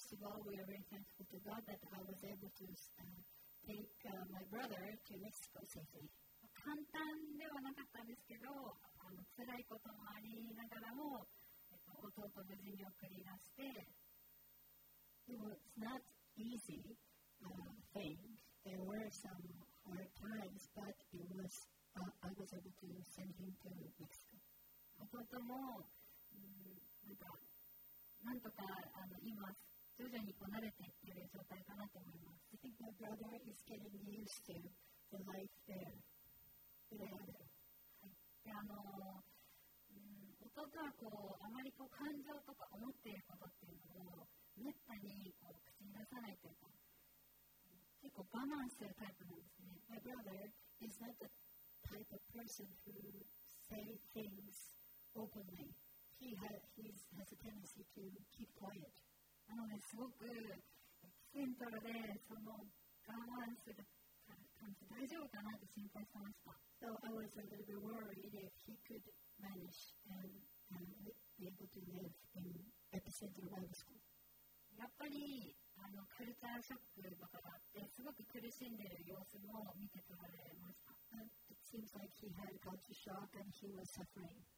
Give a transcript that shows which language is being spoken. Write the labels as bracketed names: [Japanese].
[English] First of all, we are very thankful to God that I was able to take my brother to Mexico safely. [Japanese] 簡単ではなかったんですけど、辛いこともありながらも、弟を無事に送り出して、 [English] It was not easy thing. There were some hard times, but I was able to send him to Mexico. [Japanese] 弟も、なんとか今、徐々にこう慣れていってる状態かなと思います。 [English] I think my brother is getting used to the life there. [Japanese] で、弟はこうあまりこう感情とか思っていることっていうのを、めったにこう口に出さないというか、結構我慢するタイプなんですね。 [English] My brother is not the type of person who say things. Openly, he has a tendency to keep quiet. [Japanese] なのですごくセントラでその我慢する感じ大丈夫かなって心配しました。 [English] So I was a little bit worried if he could manage and be able to live in epicenter Bible school. [Japanese] やっぱりカルチャーショックとかがあってすごく苦しんでいる様子も見て取られました。 [English] And it seems like he had a culture shock and he was suffering.